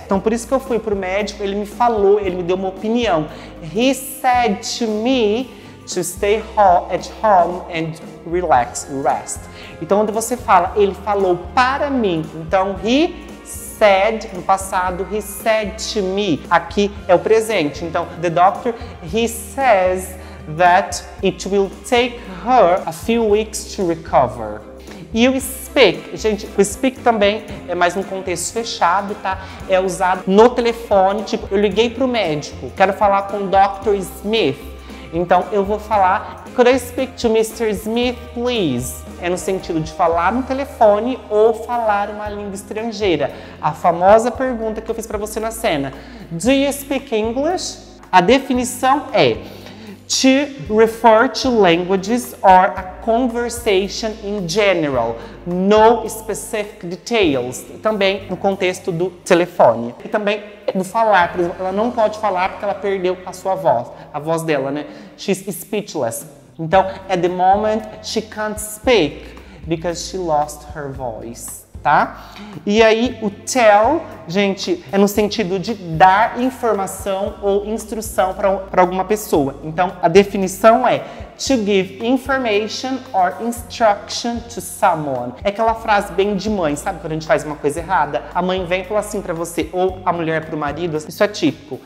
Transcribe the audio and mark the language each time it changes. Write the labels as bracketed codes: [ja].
[pt] Então por isso que eu fui pro médico, ele me falou, ele me deu uma opinião. [en] He said to me to stay at home and relax, rest. [pt] Então quando você fala, ele falou para mim, então he said, no passado, [en] he said to me, [pt] aqui é o presente. [en] Então, the doctor, he says that it will take her a few weeks to recover. [pt] E o speak, gente, o speak também é mais um contexto fechado, tá? É usado no telefone, tipo, eu liguei pro médico, quero falar com o Dr. Smith. Então, eu vou falar, [en] could I speak to Mr. Smith, please? [pt] É no sentido de falar no telefone ou falar uma língua estrangeira. A famosa pergunta que eu fiz para você na cena. [en] Do you speak English? [pt] A definição é [en] to refer to languages or a conversation in general. No specific details. Também no contexto do telefone. [pt] E também no falar. Por exemplo, ela não pode falar porque ela perdeu a sua voz. A voz dela, né? [en] She's speechless. Então, at the moment, she can't speak because she lost her voice, tá? [pt] E aí, o tell, gente, é no sentido de dar informação ou instrução para alguma pessoa. Então, a definição é [en] to give information or instruction to someone. [pt] É aquela frase bem de mãe, sabe? Quando a gente faz uma coisa errada, a mãe vem e fala assim para você, ou a mulher para o marido, isso é típico.